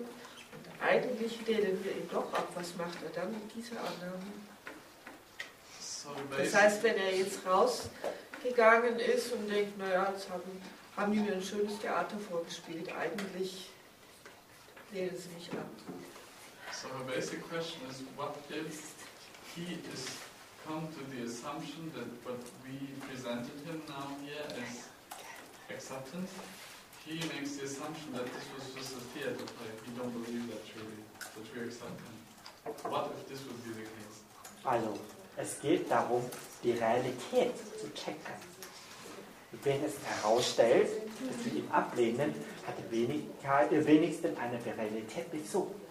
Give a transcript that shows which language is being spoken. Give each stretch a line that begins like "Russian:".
German: Und eigentlich lehnen wir ihn doch ab. Was macht er dann mit dieser Annahme? Das heißt, wenn er jetzt rausgegangen ist und denkt, naja, jetzt haben die mir ein schönes Theater vorgespielt, eigentlich lehnen sie mich ab.
English: So the basic question is, what if he is come to the assumption that what we presented him now here as acceptance, he makes the assumption that this was just a theater play. We don't believe that truly, that we accept him. What if this would be the case?
German: Also, es geht darum, die Realität zu checken. Wenn es herausstellt, dass wir ihn ablehnen, hat er wenigstens eine Realität bezogen.